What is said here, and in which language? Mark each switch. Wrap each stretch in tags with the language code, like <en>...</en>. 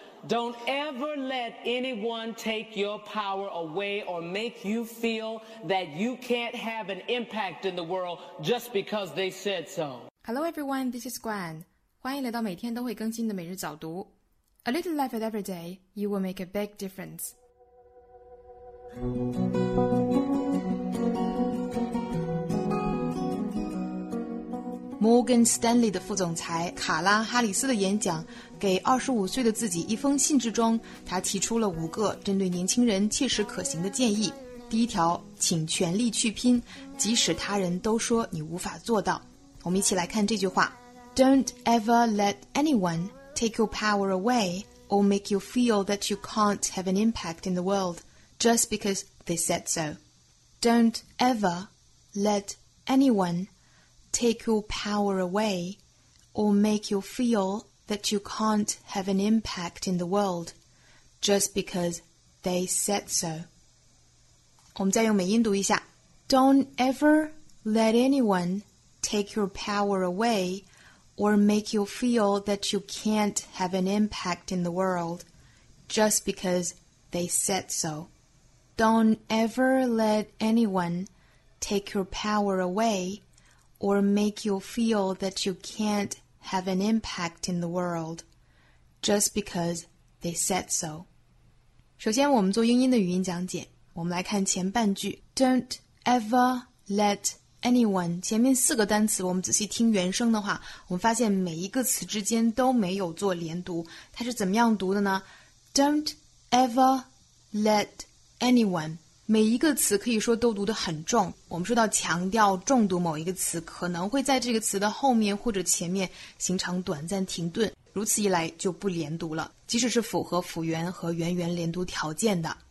<en>Don't ever let anyone take your power away or make you feel that you can't have an impact in the world just because they said so. Hello everyone, this is Gwen.</en> <zh>欢迎来到每天都会更新的每日早读。</zh> <en>A little life every day, you will make a big difference.</en> <zh>Morgan Stanley 的副总裁卡拉·哈里斯的演讲给25岁的自己一封信之中，他提出了5个针对年轻人切实可行的建议。第一条，请全力去拼，即使他人都说你无法做到。我们一起来看这句话。</zh> <en>Don't ever let anyone take your power away or make you feel that you can't have an impact in the world just because they said so. Don't ever let anyone take your power away or make you feel that you can't have an impact in the world just because they said so.</en> <zh>我们再用美音读一下。</zh> <en>Don't ever let anyone take your power away or make you feel that you can't have an impact in the world just because they said so. Don't ever let anyone take your power away or make you feel that you can't have an impact in the world just because they said so.</en> <zh>首先我们做英音的语音讲解，我们来看前半句。</zh> <en>Don't ever let anyone,</en> <zh>前面四个单词我们仔细听原声的话，我们发现每一个词之间都没有做连读，它是怎么样读的呢？</zh> <en>Don't ever let anyone,</en> <zh>每一个词可以说都读得很重，我们说到强调重读某一个词，可能会在这个词的后面或者前面形成短暂停顿，如此一来就不连读了，即使是符合辅元和元元连读条件的。</zh>